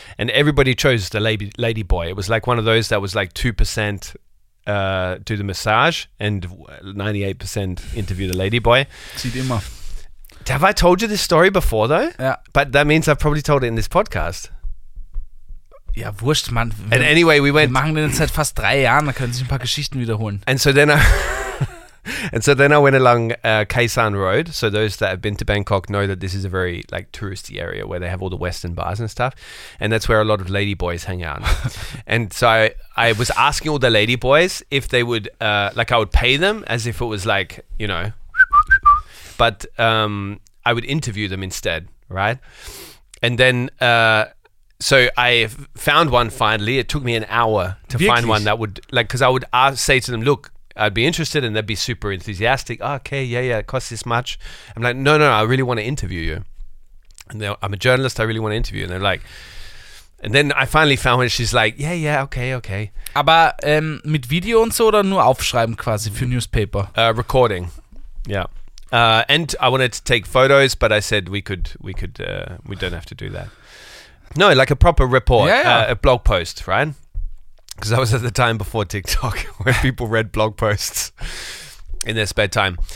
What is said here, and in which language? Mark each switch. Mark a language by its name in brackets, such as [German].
[English] And everybody chose the lady boy. It was like one of those that was like 2% do the massage and 98% interview the lady boy. [German] Sieht immer. [English] Have I told you this story before, though? Yeah. But that means I've probably told it in this podcast. [German] Ja, wurscht, man. [English] And anyway, we went... [German] Wir machen den seit fast 3 Jahren, da können sich ein paar Geschichten wiederholen. [English] And so then I... And so then I went along Khao San Road. So those that have been to Bangkok know that this is a very like touristy area where they have all the Western bars and stuff. And that's where a lot of lady boys hang out. And so I was asking all the lady boys if they would, like I would pay them as if it was like, you know, but I would interview them instead, right? And then so I found one finally. It took me an hour to find one that would, like, because I would say to them, look, I'd be interested, and they'd be super enthusiastic. Oh, okay, yeah, it costs this much. I'm like, no, I really want to interview you. And I'm a journalist, I really want to interview you. And they're like, and then I finally found one, she's like, yeah, okay. [German] Aber mit Video und so, oder nur aufschreiben quasi für newspaper? [English] Recording, yeah. And I wanted to take photos, but I said we don't have to do that. No, like a proper report, a blog post, right? Because I was at the time before TikTok, where people read blog posts in their spare time.